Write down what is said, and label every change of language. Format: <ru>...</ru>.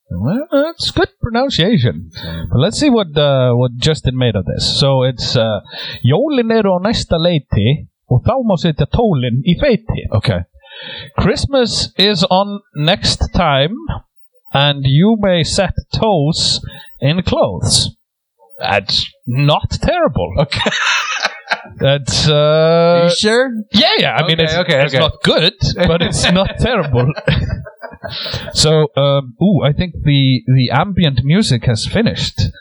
<en>Well, that's good pronunciation. But let's see what Justin made of this. So it's</en> <is>Jólin eru á næsta leiti og þá má setja tólin í feiti.</is> <en>Okay. Christmas is on next time, and you may set toes in clothes. That's not terrible. Okay. That's, Are you sure? Yeah. I mean, it's not good, but it's not terrible. So, I think the ambient music has finished.</en>